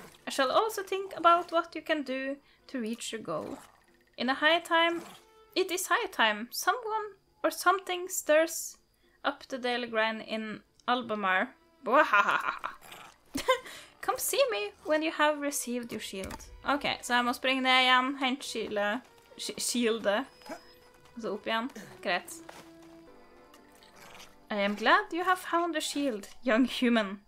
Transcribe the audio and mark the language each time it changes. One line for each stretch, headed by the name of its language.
English: I shall also think about what you can do to reach your goal. It is high time someone or something stirs up the daily grind in Albemarle. Wahaha! Come see me when you have received your shield.
Norwegian: Ok, så jeg må springe ned igjen, hente shieldet, og så opp igjen. Greit.
English: I am glad you have found the shield, young human.